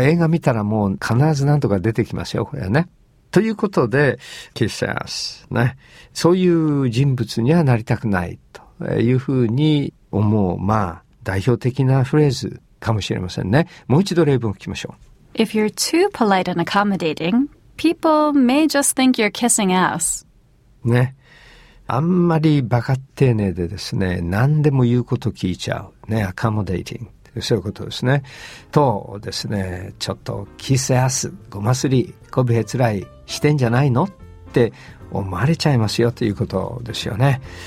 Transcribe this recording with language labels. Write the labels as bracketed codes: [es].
[ja] 映画見たらもう必ず何とか出てきますよ、これはね。ということで、 [en] kiss us [ja] ね。そういう人物にはなりたくないというふうに思う。まあ、代表的なフレーズかもしれませんね。もう一度例文を聞きましょう。 [en] If you're too polite and accommodating, people may just think you're kissing ass. [ja] ね。あんまりバカ丁寧でですね、何でも言うこと聞いちゃう。ね、accommodating。そういうことですね。とですね、ちょっと [en] kiss ass、 [ja] ごますり、こびへつらいしてんじゃないのって思われちゃいますよということですよね。